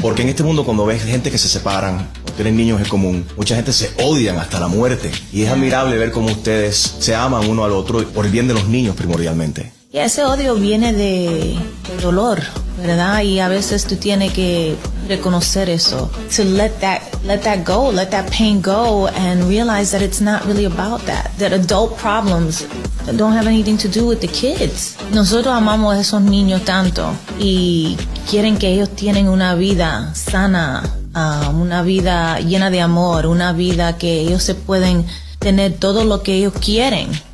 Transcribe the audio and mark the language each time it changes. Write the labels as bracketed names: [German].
[Spanish] Porque en este mundo, cuando ves gente que se separan, tienen niños en común, mucha gente se odian hasta la muerte. Y es admirable ver cómo ustedes se aman uno al otro por el bien de los niños primordialmente. Y ese odio viene de dolor, ¿verdad? Y a veces tú tienes que reconocer eso. [English] To let that go, let that pain go, and realize that it's not really about that. That adult problems don't have anything to do with the kids. [Spanish] Nosotros amamos a esos niños tanto y quieren que ellos tienen una vida sana, una vida llena de amor, una vida que ellos se pueden tener todo lo que ellos quieren.